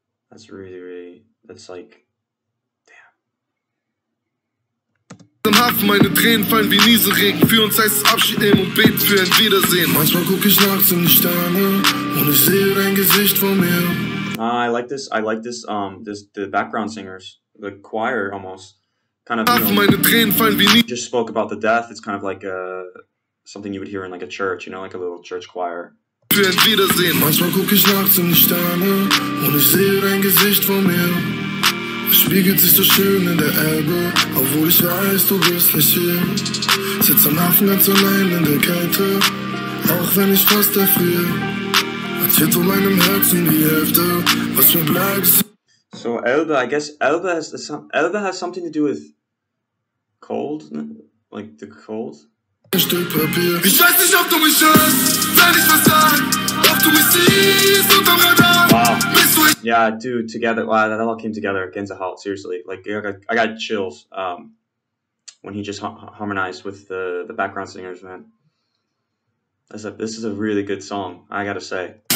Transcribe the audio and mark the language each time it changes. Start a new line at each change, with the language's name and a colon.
English: That's really, really, that's like...
German: Meine Tränen fallen wie Nieselregen. Für uns heißt es Abschied nehmen und beten für ein Wiedersehen. Manchmal guck ich nachts in die Sterne und ich sehe dein Gesicht vor mir.
English: I like this. I like this. The background singers, the choir almost, kind of.
German: Meine Tränen fallen wie Nieselregen.
English: Just spoke about the death. It's kind of like something you would hear in like a church, you know, like a little church choir.
German: Für ein Wiedersehen. Manchmal guck ich nachts in die Sterne und ich sehe dein Gesicht vor mir. Spiegelt sich so schön in der Elbe, obwohl ich weiß, du bist nicht hier. Sitz am Hafen ganz allein in der Kälte, auch wenn ich fast erfriere. Zählt von meinem Herzen die Hälfte, was mir bleibt.
English: So Elbe, I guess Elbe has something to do with cold, ne? Like the cold.
German: Ein Stück Papier. Ich weiß nicht, ob du mich hörst, wenn ich was sag, ob du mich siehst unterm Radar.
English: Yeah, dude, together, wow, that all came together. Gänsehaut, seriously. Like, I got chills when he just harmonized with the background singers, man. This is a really good song, I gotta say.